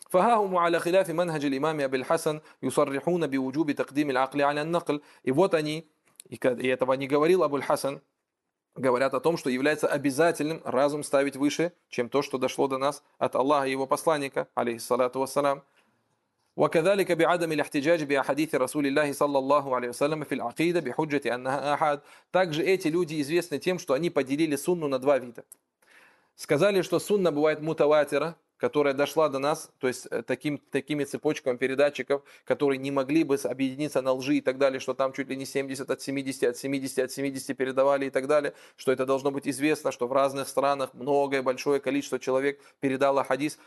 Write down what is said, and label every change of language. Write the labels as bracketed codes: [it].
[ar] فها هم على خلاف منهج الإمام أبي الحسن يصرحون بوجوب تقديم العقل على النقل. [ru] И вот они, и этого не говорил Абу Хасан, говорят о том, что является обязательным разум ставить выше, чем то, что дошло до нас от Аллаха и его посланника, алейхиссалату вассалам. [ar] وكذلك بعدم الاحتجاج بأحاديث رسول الله صلى الله عليه وسلم في العقيدة بحجة أنها أحد. [ru] Также эти люди известны тем, что они поделили сунну на два вида. Сказали, что сунна бывает мутаватира, которая дошла до нас, то есть такими цепочками передатчиков, которые не могли бы объединиться на лжи и так далее, что там чуть ли не 70 от 70, от 70 от 70 передавали и так далее, что это должно быть известно, что в разных странах многое, большое количество человек передало хадис.